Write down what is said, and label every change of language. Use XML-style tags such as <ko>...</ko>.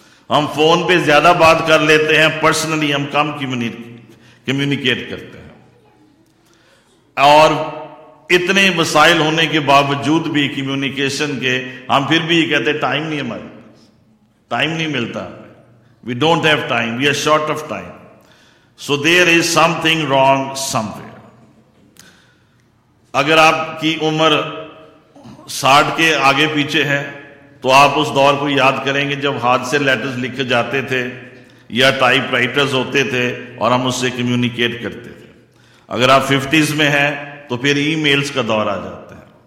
<ur>ہم فون پہ زیادہ بات کر لیتے ہیں, پرسنلی ہم کم کمیونیکیٹ کرتے ہیں. اور اتنے وسائل ہونے کے باوجود بھی کمیونیکیشن کے, ہم پھر بھی یہ کہتے ہیں ٹائم نہیں, ہمارے پاس ٹائم نہیں ملتا,</ur> <en>We don't have time, we are short of time. So there is something wrong somewhere.</en> <ur>اگر آپ کی عمر 60 کے آگے پیچھے ہے, تو آپ اس دور کو یاد کریں گے جب ہاتھ سے لیٹرز لکھے جاتے تھے یا ٹائپ رائٹرز ہوتے تھے اور ہم اس سے کمیونیکیٹ کرتے تھے. اگر آپ 50s میں ہیں تو پھر ای میلز کا دور آ جاتا ہے.</ur>